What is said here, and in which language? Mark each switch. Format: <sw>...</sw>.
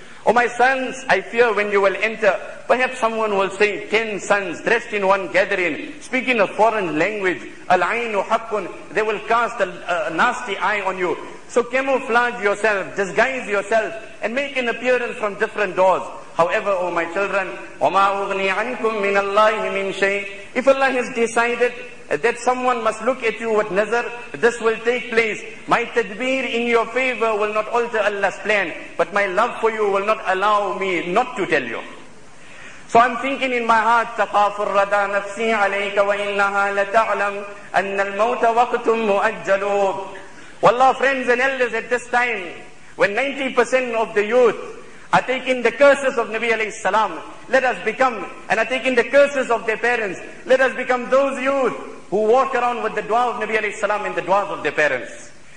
<en>Oh my sons, I fear when you will enter, perhaps someone will say, 10 sons dressed in one gathering, speaking a foreign language,</en> <ar>al-ainu haqqun,</ar> <en>they will cast a nasty eye on you. So camouflage yourself, disguise yourself, and make an appearance from different doors. However, oh my children,</en> <ar>وَمَا أُغْنِي عَنْكُمْ مِنَ اللَّهِ مِنْ شَيْءٍ.</ar> <en>If Allah has decided that someone must look at you with nazar, this will take place. My tadbir in your favor will not alter Allah's plan, but my love for you will not allow me not to tell you. So I'm thinking in my heart,</en> <ar>تَقَافُ الرَّدَى نَفْسِي عَلَيْكَ وَإِنَّهَا لَتَعْلَمْ أَنَّ الْمَوْتَ وَقْتٌ مُؤَجَّلُوا.</ar> <en>Wallah, friends and elders, at this time, when 90% of the youth are taking the curses of Nabi alayhi salam, let us become, and are taking the curses of their parents, let us become those youth who walk around with the dua of Nabi alayhi salam and the duas of their parents.</en>